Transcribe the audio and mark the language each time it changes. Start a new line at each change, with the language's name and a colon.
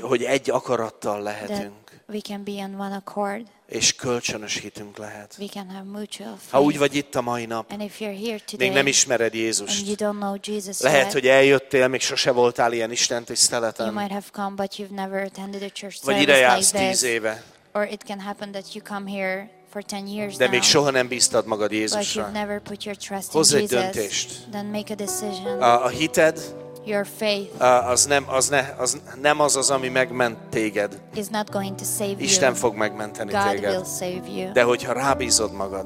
Hungarian: Hogy egy akarattal lehetünk.
English: We can be on one accord.
Hungarian: És kölcsönös hitünk lehet.
English: We can have mutual faith.
Hungarian: Ha úgy vagy itt a mai nap,
English: and if you're here today,
Hungarian: még nem ismered Jézust,
English: and you don't know Jesus yet,
Hungarian: lehet, hogy eljöttél, még sose voltál ilyen Isten tiszteleten.
English: You might have come, but you've never attended a church
Hungarian: vagy
English: service
Hungarian: ide jársz
English: like this.
Hungarian: 10 éve.
English: Or it can happen that you come here for 10 years
Hungarian: de még soha nem bíztad magad Jézusra.
English: But you've never put your trust in
Hungarian: Hozz egy
English: Jesus,
Hungarian: döntést.
English: Then make a decision.
Hungarian: A hited,
English: your faith,
Hungarian: az nem az, ami megment téged.
English: Is not going to save you.
Hungarian: Isten fog megmenteni
English: God
Hungarian: téged.
English: Will save you.
Hungarian: De hogyha rábízod magad,